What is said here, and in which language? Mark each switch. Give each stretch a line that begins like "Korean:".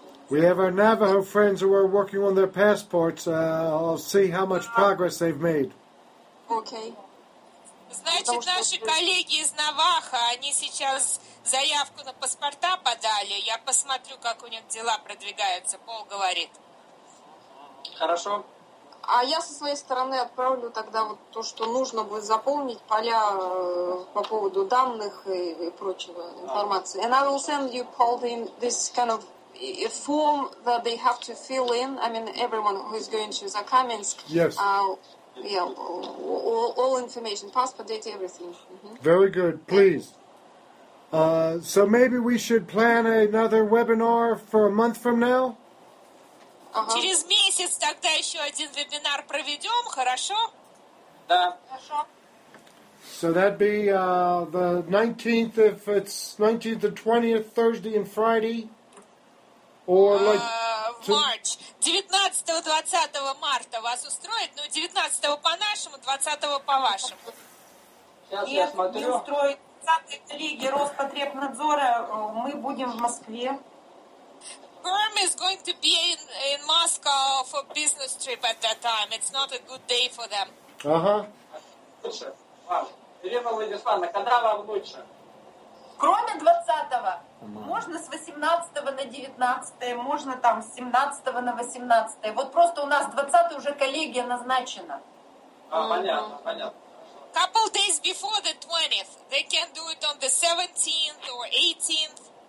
English: We have our Navajo friends who are working on their passports. I'll see how much progress they've made. Okay.
Russian: Значит, наши коллеги из Наваха, они сейчас заявку на паспорта подали. Я посмотрю, как у них дела продвигаются. Пол говорит. Хорошо. А я со своей стороны отправлю тогда вот то, что нужно будет заполнить, поля по поводу данных и прочего информации.
English: And I will send you, Paul, this kind of form that they have to fill in. I mean, everyone who is going to Закаменск. Yes. All information, passport, data, everything. Mm-hmm. Very good. Please. So maybe we should plan another webinar for a month from now? Uh-huh.
Russian: Через месяц тогда еще один вебинар проведем, хорошо? Да.
English: So that'd be the 19th, if it's 19th or 20th, Thursday and Friday, or like... March.
Russian: 19-20 марта вас устроит, но 19 по-нашему, 20 по-вашему. Сейчас я смотрю. Нет, не устроит. 20-й лиги Роспотребнадзора, мы будем в Москве.
English: Perm is going to be in Moscow for business trip at that time. It's not a good day for them. Uh-huh.
Russian: Елена Владиславовна, когда вам лучше? Кроме 20-го. Можно с 18-го на 19-е, можно там с 17-го на 18-е. Вот просто у нас 20-й уже коллегия назначена. Понятно.
English: Couple days before the 20th. They can do it on the 17th or 18th.